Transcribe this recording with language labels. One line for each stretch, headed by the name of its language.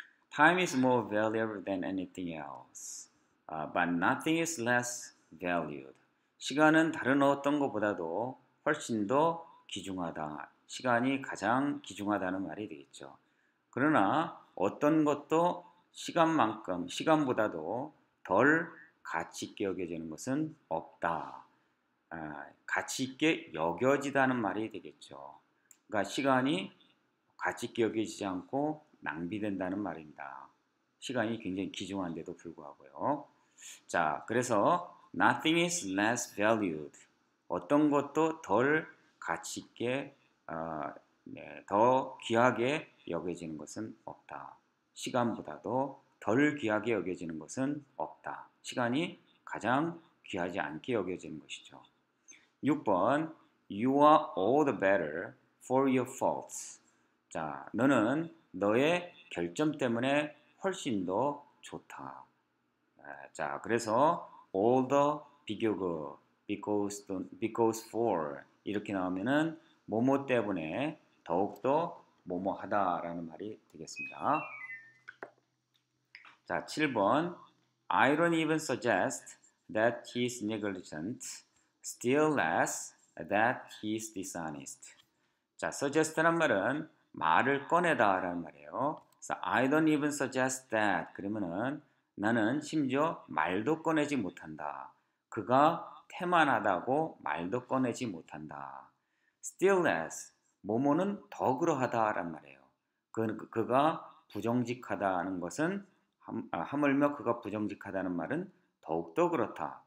English: Time is more valuable than anything else, but nothing is less valued.
Korean: 시간은 다른 어떤 것보다도 훨씬 더 귀중하다. 시간이 가장 귀중하다는 말이 되겠죠. 그러나 어떤 것도 시간만큼, 시간보다도 덜 가치 있게 여겨지는 것은 없다. 가치 있게 여겨지다는 말이 되겠죠. 그러니까 시간이 가치 있게 여겨지지 않고 낭비된다는 말입니다. 시간이 굉장히 귀중한데도 불구하고요. 자, 그래서
English: nothing is less valued.
Korean: 어떤 것도 덜 가치 있게, 더 귀하게 여겨지는 것은 없다. 시간보다도 덜 귀하게 여겨지는 것은 없다. 시간이 가장 귀하지 않게 여겨지는 것이죠. 6번,
English: you are all the better for your faults.
Korean: 자, 너는 너의 결점 때문에 훨씬 더 좋다. 자, 그래서
English: all the
Korean: 비교급 because for 이렇게 나오면은 뭐뭐 때문에 더욱더 뭐뭐하다라는 말이 되겠습니다. 자, 7번.
English: I don't even suggest that he is negligent, still less that he is dishonest.
Korean: 자, suggest란 말은 말을 꺼내다 라는 말이에요.
English: So I don't even suggest that.
Korean: 그러면은 나는 심지어 말도 꺼내지 못한다. 그가 태만하다고 말도 꺼내지 못한다.
English: Still less.
Korean: 뭐뭐는 더 그러하다란 말이에요. 그가 부정직하다는 것은 하물며 그가 부정직하다는 말은 더욱더 그렇다.